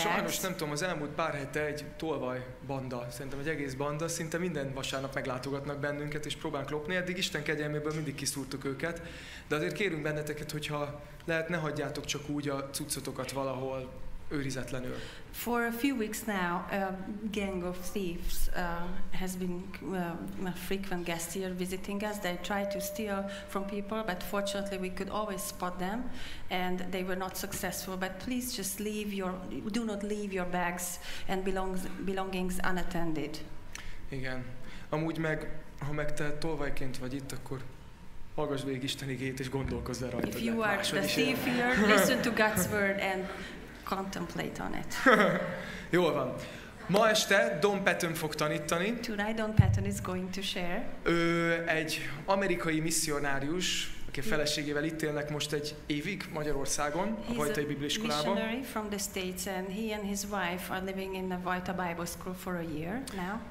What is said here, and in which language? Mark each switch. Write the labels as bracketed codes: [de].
[hu] Sajnos nem tudom, az elmúlt pár hete egy tolvaj banda, szerintem egy egész banda, szinte minden vasárnap meglátogatnak bennünket, és próbálunk lopni, eddig Isten kegyelméből mindig kiszúrtuk őket, de azért kérünk benneteket, hogyha lehet, ne hagyjátok csak úgy a cuccotokat valahol, őrizetlenül. [en] For a few weeks now, a gang of thieves has been a frequent guest here visiting us. They try to steal from people, but fortunately we could always spot them, and they were not successful. But please just leave your, do not leave your bags and belongings unattended. [hu] Igen. Amúgy meg, ha meg te tolvajként vagy itt, akkor hallgass végig Isten igét és gondolkozz el rajta. [en] If you are the thief here, listen to God's word and contemplate on it. [hu] Jól van. Ma este Don Patton fog tanítani. [en] Tonight Don Patton is going to share. [hu] Ő egy amerikai misszionárius, aki feleségével itt élnek most egy évig Magyarországon, a Vajtai Bibliaiskolában. [en] He's a missionary from the States, and he and his wife are living in the Vajta Bible School for a year now.